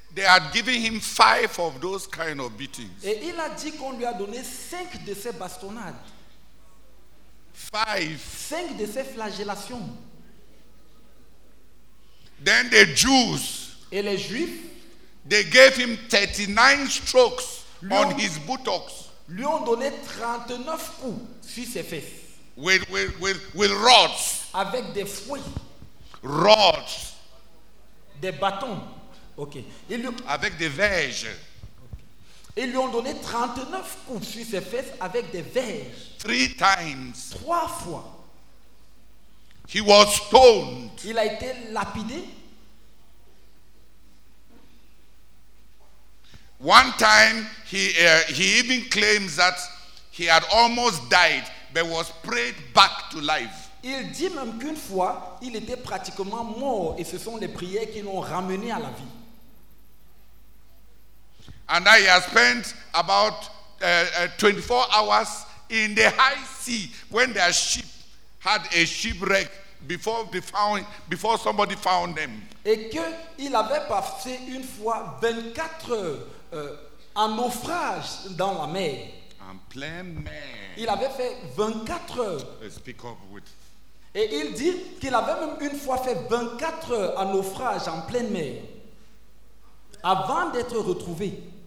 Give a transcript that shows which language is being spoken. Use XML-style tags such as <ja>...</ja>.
<en>They had given him 5 of those kind of beatings.</en> <fr>Et il a dit qu'on lui a donné 5 de ces bastonnades.</fr> <en>5.</en> <fr>5 de ces flagellations.</fr> <en>Then the Jews.</en> <fr>Et les Juifs.</fr> <en>They gave him 39 strokes on his buttocks.</en> <fr>Lui ont donné 39 coups sur ses fesses.</fr> <en>With rods.</en> <fr>Avec des fouets.</fr> <en>Rods.</en> <fr>Des bâtons. Ok. Avec des verges. Ils lui ont donné 39 coups sur ses fesses avec des verges.</fr> <en>3 times.</en> <fr>3 fois.</fr> <en>He was stoned.</en> <fr>Il a été lapidé.</fr> <en>One time, he even claims that he had almost died, but was prayed back to life.</en> <fr>Il dit même qu'une fois, il était pratiquement mort, et ce sont les prières qui l'ont ramené à la vie.</fr> <en>And now he has spent about 24 hours in the high sea when their ship had a shipwreck before somebody found them.</en> <fr>Et que il avait passé une fois 24 heures en naufrage dans la mer. En plein mer. Il avait fait 24 heures.</fr> <en>Speak up with.</en> <fr>Et il dit qu'il avait même une fois fait 24 heures en naufrage en pleine mer avant d'être retrouvé.</fr>